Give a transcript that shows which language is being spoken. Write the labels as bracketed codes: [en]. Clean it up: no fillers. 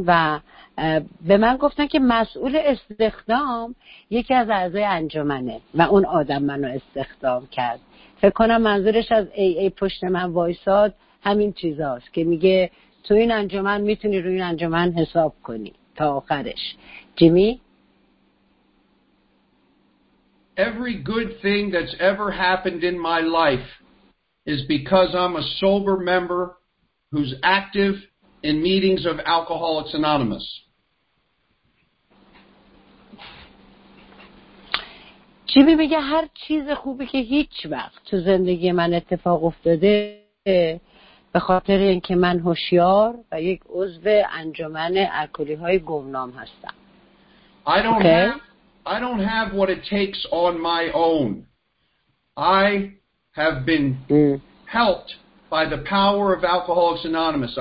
[fa] و به من گفتن که مسئول استخدام یکی از اعضای انجمنه و اون آدم منو استخدام کرد. فکر کنم منظورش از AA پشت من وایساد همین چیزاست که میگه تو این انجمن میتونی روی این انجمن حساب کنی تا آخرش. جیمی؟ [en] Every good thing that's ever happened in my life is because I'm a sober member who's active in meetings of Alcoholics Anonymous. [fa] جیمی میگه هر چیز خوبی که هیچ وقت تو زندگی من اتفاق افتاده به خاطر اینکه من هوشیار و یک عضو انجمن الکلی‌های گمنام هستم. [en] I don't have what it takes on my own. I have been helped by the power of Alcoholics Anonymous.